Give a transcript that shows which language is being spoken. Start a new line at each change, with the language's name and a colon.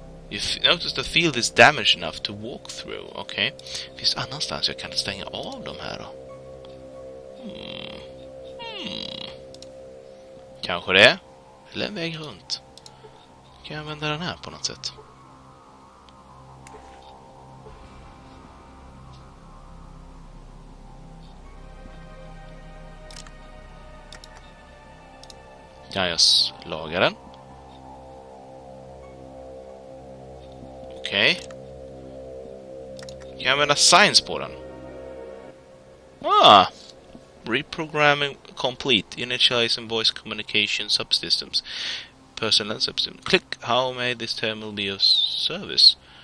English: You notice the field is damaged enough to walk through. Okay.
Swedish: Finns annanstans jag kan stänga av de här då? Kanske det. Eller en väg runt. Kan jag använda den här på något sätt? Ja. kan jag laga den. Okej. Okay. Jag använder science på den.
English: Ah! Reprogramming complete. Initializing voice communication subsystems. Personal subsystems. Click how may this terminal be of service.